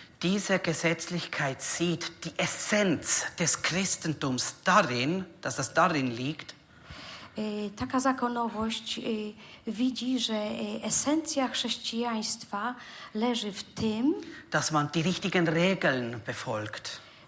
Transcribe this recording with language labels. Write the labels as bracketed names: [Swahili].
[German] Diese Gesetzlichkeit sieht die Essenz des Christentums darin, dass es darin liegt. [Polish] Taka zakonowość widzi, że esencja chrześcijaństwa leży w tym, [German] dass man die richtigen Regeln befolgt.